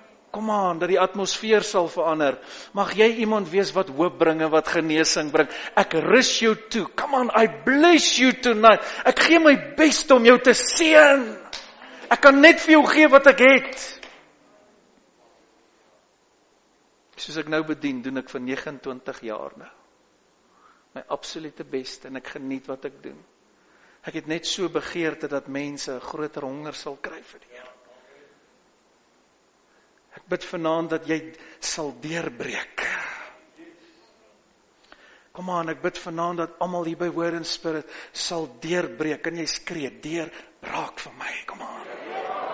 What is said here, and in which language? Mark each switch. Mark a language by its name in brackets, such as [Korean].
[Afrikaans] Kom aan, dat die atmosfeer sal verander. Mag jy iemand wees wat hoop bring en wat genesing bring. Ek rus jou toe. [English] Come on, I bless you tonight. [Afrikaans] Ek gee my best om jou te seën. Ek kan net vir jou gee wat ek het. Soos ek nou bedien, doen ek vir 29 jaar nou. My absolute best en ek geniet wat ek doen. Ek het net so begeerte dat mense groter honger sal kry vir die Here. Ek bid vanaand dat jy sal deurbreek. Kom aan, ek bid vanaand dat allemaal hier by Word and Spirit sal deurbreek. En jy skree, deurbraak vir my, kom aan. Deurbraak.